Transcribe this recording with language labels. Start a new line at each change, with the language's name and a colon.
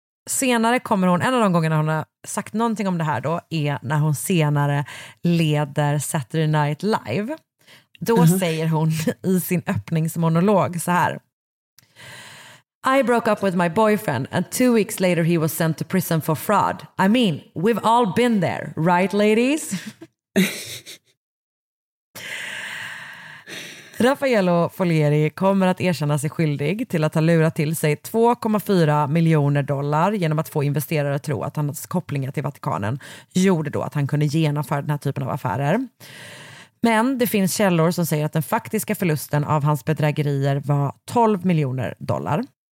Swedish: Senare kommer hon, en av de gångerna hon har sagt någonting om det här då, är när hon senare leder Saturday Night Live. Då säger hon i sin öppningsmonolog så här.
English: I broke up with my boyfriend and 2 weeks later he was sent to prison for fraud. I mean, we've all been there, right ladies?
Swedish: Raffaello Folieri kommer att erkänna sig skyldig till att ha lurat till sig 2,4 miljoner dollar genom att få investerare att tro att hans kopplingar till Vatikanen gjorde då att han kunde genomföra den här typen av affärer. Men det finns källor som säger att den faktiska förlusten av hans bedrägerier var 12 miljoner dollar.